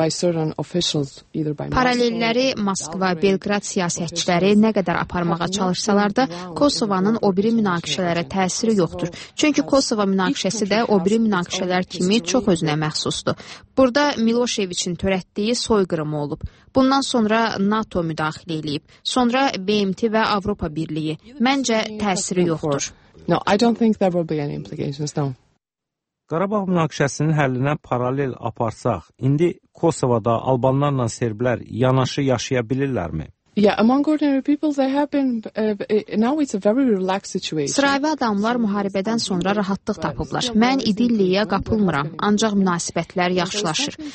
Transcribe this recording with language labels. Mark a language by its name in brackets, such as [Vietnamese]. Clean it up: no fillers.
[Azerbaijani] Paralelləri Moskva, Belqrad siyasətçiləri nə qədər aparmağa çalışsalar da, Kosovanın obri münaqişələrə təsiri yoxdur. Çünki Kosova münaqişəsi də obri münaqişələr kimi çox özünə məxsusdur. Burada Miloševiçin törətdiyi soyqırım olub. Bundan sonra NATO müdaxilə eləyib. Sonra BMT və Avropa Birliyi. Məncə təsiri yoxdur. [English] No, I don't think there will be any implications, no. [Azerbaijani] Qarabağ münaqişəsinin həllinə paralel aparsaq, indi Kosovada albanlarla serblər yanaşı yaşaya bilirlərmi? Sıravi adamlar müharibədən sonra rahatlıq tapıblar. Mən idilliyə qapılmıram, ancaq münasibətlər yaxşılaşır.